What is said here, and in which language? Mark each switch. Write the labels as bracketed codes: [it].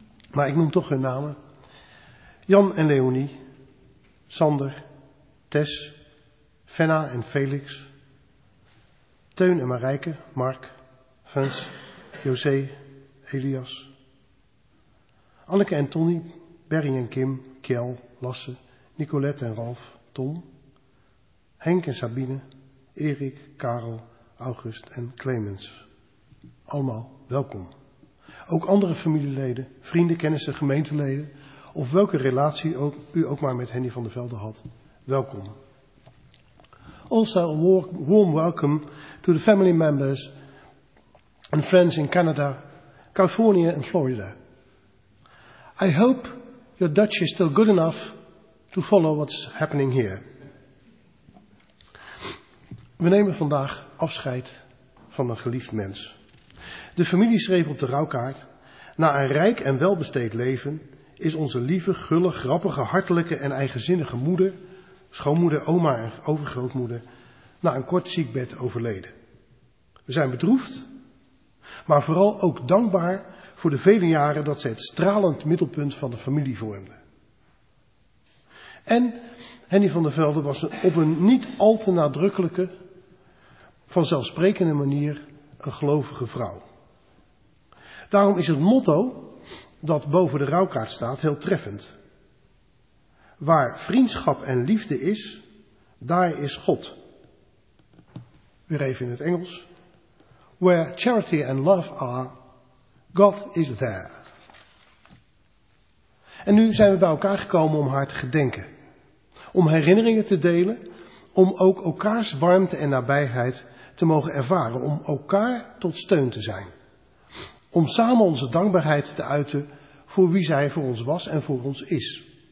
[nl] Maar ik noem toch hun namen. Jan en Leonie, Sander, Tess, Fenna en Felix, Teun en Marijke, Mark, Fens, José, Elias, Anneke en Tonnie, Berry en Kim, Kjell, Lasse, Nicolette en Ralf, Tom, Henk en Sabine, Erik, Karel, August en Clemens. Allemaal welkom. Ook andere familieleden, vrienden, kennissen, gemeenteleden of welke relatie ook, u ook maar met Henny van der Velde had, welkom. [en] Also a warm welcome to the family members and friends in Canada, California and Florida. I hope your Dutch is still good enough to follow what's happening here. [nl] We nemen vandaag afscheid van een geliefd mens. De familie schreef op de rouwkaart: na een rijk en welbesteed leven is onze lieve, gulle, grappige, hartelijke en eigenzinnige moeder, schoonmoeder, oma en overgrootmoeder, na een kort ziekbed overleden. We zijn bedroefd, maar vooral ook dankbaar voor de vele jaren dat ze het stralend middelpunt van de familie vormde. En Henny van der Velde was op een niet al te nadrukkelijke, vanzelfsprekende manier een gelovige vrouw. Daarom is het motto dat boven de rouwkaart staat heel treffend. Waar vriendschap en liefde is, daar is God. Weer even in het Engels. [en] Where charity and love are, God is there. [nl] En nu zijn we bij elkaar gekomen om haar te gedenken. Om herinneringen te delen, om ook elkaars warmte en nabijheid te mogen ervaren. Om elkaar tot steun te zijn. Om samen onze dankbaarheid te uiten voor wie zij voor ons was en voor ons is.